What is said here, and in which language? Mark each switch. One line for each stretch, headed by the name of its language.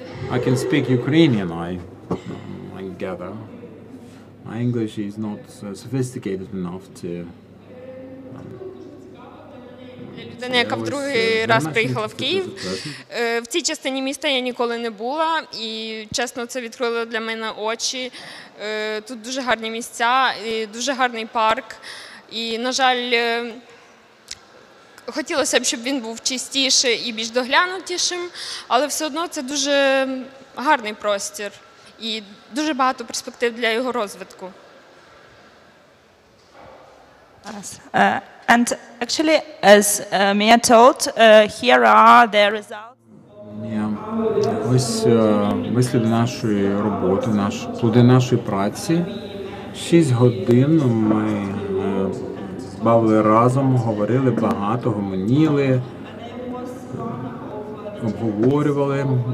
English: I can speak Ukrainian, I gather. My English is not sophisticated enough to...
Ukrainian: Людина, яка в другий раз приїхала в Київ. В цій частині міста я ніколи не була, і чесно, це відкрило для мене очі. Тут дуже гарні місця, і дуже гарний парк. І, на жаль, хотілося б, щоб він був чистіше і більш доглянутішим, але все одно це дуже гарний простір і дуже багато перспектив для його розвитку.
English: Yes. And actually, as Mia told, here are the results. Yeah.
Ukrainian: Ось вислід нашої роботи, плоди нашої праці. 6 годин ми бавили разом, говорили багато, гомоніли, обговорювали.